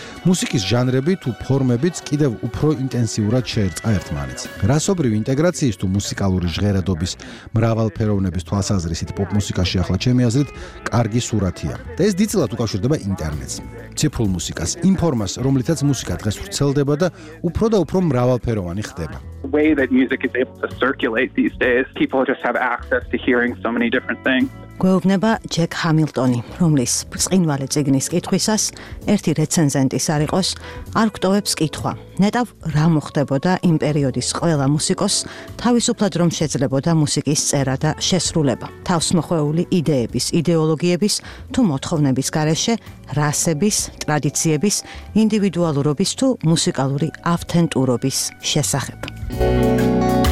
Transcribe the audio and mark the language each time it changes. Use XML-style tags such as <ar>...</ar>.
<ka>მუსიკის ჟანრები თუ ფორმებიც კიდევ უფრო ინტენსიურად შეერწყა ერთმანეთს. რასობრივი ინტეგრაციის თუ მუსიკალური ჟღერადობის მრავალფეროვნების თვალსაზრისით პოპ მუსიკაში ახლა ჩემი აზრით კარგი სურათია. და ეს დიდწილად უკავშირდება ინტერნეტს, ციფრულ მუსიკას, იმ ფორმას, რომლითაც მუსიკა დღეს ვრცელდება და უფრო და უფრო მრავალფეროვანი ხდება.</ka> <en>Way that music is able to circulate these days, people just have access to hearing so many different things.</en> <ka>გვეუბნება ჯეკ ჰამილტონი, რომლის ბრწყინვალე წიგნის კითხვისას ერთი რეცენზენტის არ იყოს, არ გტოვებს კითხვა. ნეტავ რა მოხდებოდა იმ პერიოდის ყველა მუსიკოსს თავისუფლად რომ შეძლებოდა მუსიკის წერა და შესრულება. თავსმოხვეული იდეების, იდეოლოგიების თუ მოთხოვნების გარეშე, რასების, ტრადიციების, ინდივიდუალურობის თუ მუსიკალური ავთენტურობის შესახებ.</ka>